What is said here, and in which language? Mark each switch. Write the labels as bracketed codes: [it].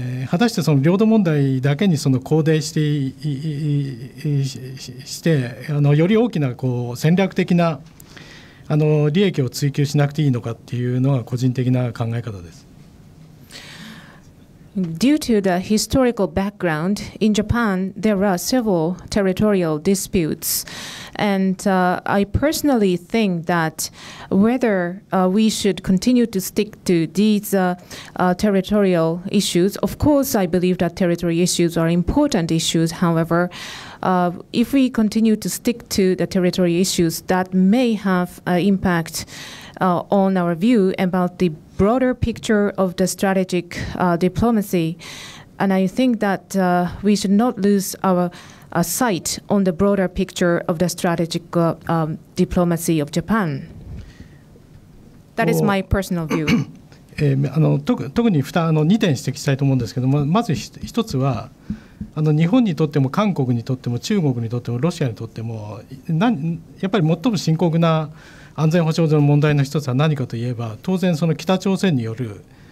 [ja] 果たしてその領土問題だけにその肯定して してより大きなこう戦略的な利益を追求しなくていいのかというのが個人的な考え方です。 [en] Due to the historical background, in Japan, there are several territorial disputes. And I personally think that whether we should continue to stick to these territorial issues, of course, I believe that territory issues are important issues. However, if we continue to stick to the territory issues, that may have an impact on our view about the broader picture of the strategic diplomacy. And I think that we should not lose our sight on the broader picture of the strategic diplomacy of Japan. That is my personal view. [ja] 特に2点指摘したいと思うんですけども、まず1つは日本にとっても韓国にとっても中国にとってもロシアにとってもやっぱり最も深刻な安全保障上の問題の一つは何かといえば、当然その北朝鮮による